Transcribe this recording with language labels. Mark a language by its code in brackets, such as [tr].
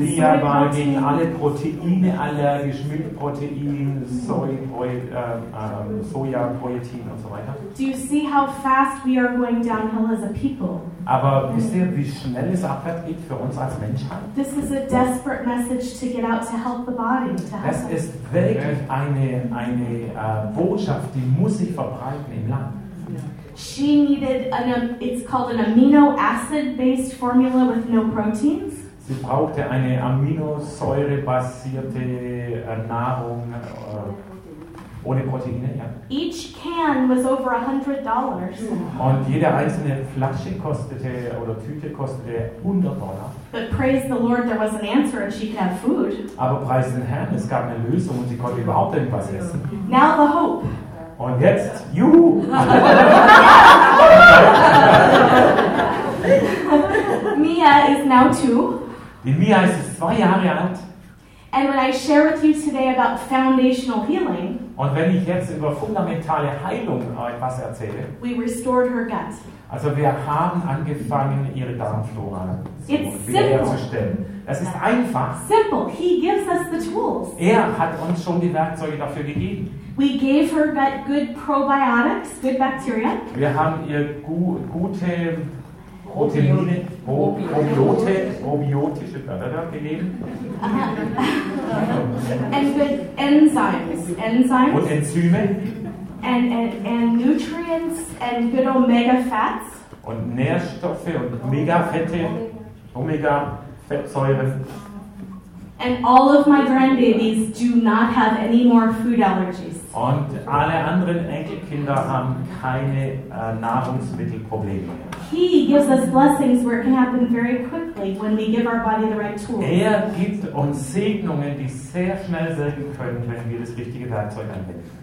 [de] Lia war gegen alle Proteine allergisch, Milchprotein, Soja, Protein und so weiter. [en] Do you see how fast we are going downhill as a people? [de] Aber wisst ihr, wie schnell es abwärts geht für uns als Menschheit? [en] This is a desperate message to get out to help the body. [de] Das ist wirklich eine Botschaft, die muss sich verbreiten im Land. [en] She needed it's called an amino acid based formula with no proteins. [de] Sie brauchte eine aminosäurebasierte Nahrung ohne Proteine. Ja. [en] Each can was over $100. [de] Und jede einzelne Flasche kostete oder Tüte kostete $100. [en] But praise the Lord, there was an answer and she could have food. [de] Aber preis den Herrn, es gab eine Lösung und sie konnte überhaupt irgendwas essen. [en] Now the hope. [de] Und jetzt, juhu! [en] Mia is now 2. [de] Die Mia ist 2 Jahre alt. [en] And when I share with you today about foundational healing, [de] und wenn ich jetzt über fundamentale Heilung etwas erzähle, [en] we restored her gut. [de] Also wir haben angefangen, ihre Darmflora wiederherzustellen. Das ist einfach. [en] Simple. He gives us the tools. [de] Er hat uns schon die Werkzeuge dafür gegeben. [en] We gave her gut good probiotics, good bacteria. [de] Wir haben ihr gute Proteine, probiotische Blätter gegeben. [en] And good enzymes. [de] Und Enzyme. [en] And nutrients and good omega fats. [de] Und Nährstoffe und Omega-Fette, Omega-Fettsäuren. [en] And all of my grandbabies do not have any more food allergies. [de] Und alle anderen Enkelkinder haben keine Nahrungsmittelprobleme mehr. [en] He gives us blessings where it can happen very quickly when we give our body the right tools. [de] Er gibt uns Segnungen, die sehr schnell wirken können, wenn wir das richtige Werkzeug anwenden.